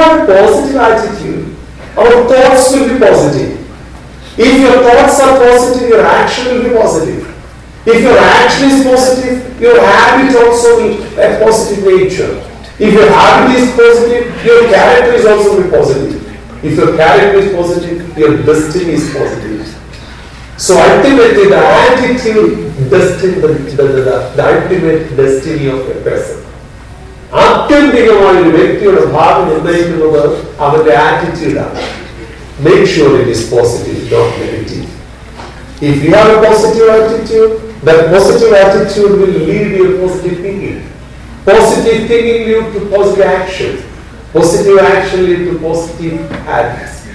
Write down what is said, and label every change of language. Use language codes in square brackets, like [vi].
[en] Positive attitude our thoughts will be positive. If your thoughts are positive, your action will be positive. If your action is positive, your habit also will have a positive nature. If your habit is positive, your character is also will be positive. If your character is positive, your destiny is positive. So ultimately, the attitude destined the ultimate destiny of a person. [ml] ആത്യന്തികമായി ഒരു വ്യക്തിയുടെ ഭാവി നിർണ്ണയിക്കുന്നത് അവന്റെ ആറ്റിറ്റ്യൂഡാണ്. [en] Make sure it is positive, not negative. If you have a positive attitude, that positive attitude will lead you to positive thinking. Positive thinking leads to positive actions. Positive action leads to positive habits.